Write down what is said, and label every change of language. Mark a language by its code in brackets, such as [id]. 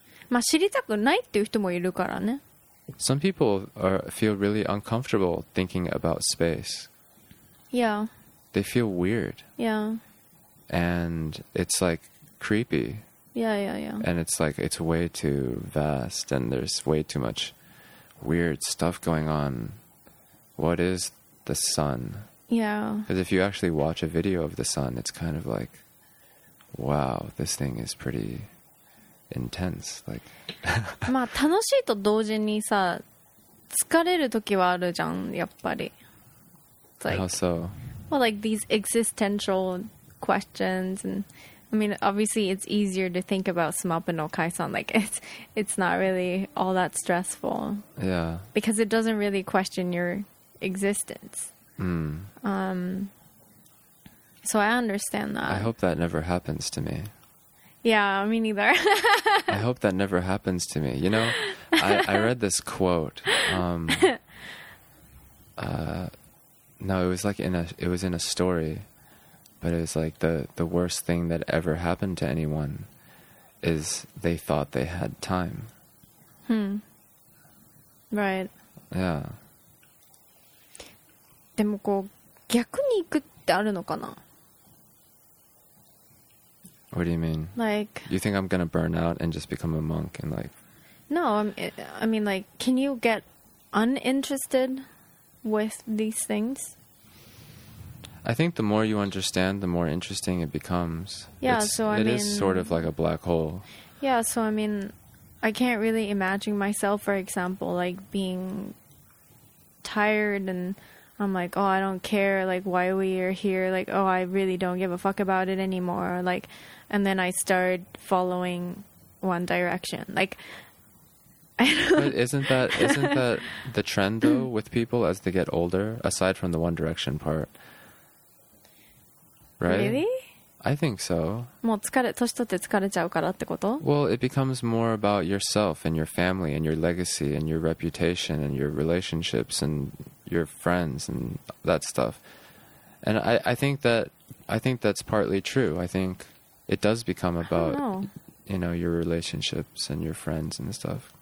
[ja] まあ知りたくないっていう人もいるからね。 [en] Some people feel really uncomfortable thinking about space. Yeah. They feel weird. Yeah. And it's like creepy. Yeah. And it's like it's way too vast and there's way too much weird stuff going on. What is the sun? Yeah. Because if you actually watch a video of the sun, it's kind of like, wow, this thing is pretty intense. Like, [ja] まあ楽しいと同時にさ、疲れる時はあるじゃん、やっぱり。 [en] Like, how so? Well, like these existential questions and I mean, obviously, it's easier to think about Smap and Okaisan. Like, it's not really all that stressful. Yeah. Because it doesn't really question your existence. Hmm. So I understand that. I hope that never happens to me. Yeah, me neither. I hope that never happens to me. You know, I read this quote. It was in a story. But it was like the worst thing that ever happened to anyone is they thought they had time. Hmm. Right. Yeah. [ja] でもこう逆に行くってあるのかな? [en] What do you mean? Like, you think I'm gonna burn out and just become a monk and like? No, I mean, like, can you get uninterested with these things? I think the more you understand, the more interesting it becomes. Yeah, it is sort of like a black hole. Yeah, so I mean, I can't really imagine myself, for example, like being tired and I'm like, oh, I don't care, like why we are here, like, oh, I really don't give a fuck about it anymore. Like, and then I start following one direction. Like, I don't but isn't that the trend though with people as they get older, aside from the One Direction part? Right? Really? I think so. [ja] もう疲れ、年取って疲れちゃうからってこと? [en] Well, it becomes more about yourself and your family and your legacy and your reputation and your relationships and your friends and that stuff. And I think that's partly true. I think it does become about, you know, your relationships and your friends and stuff.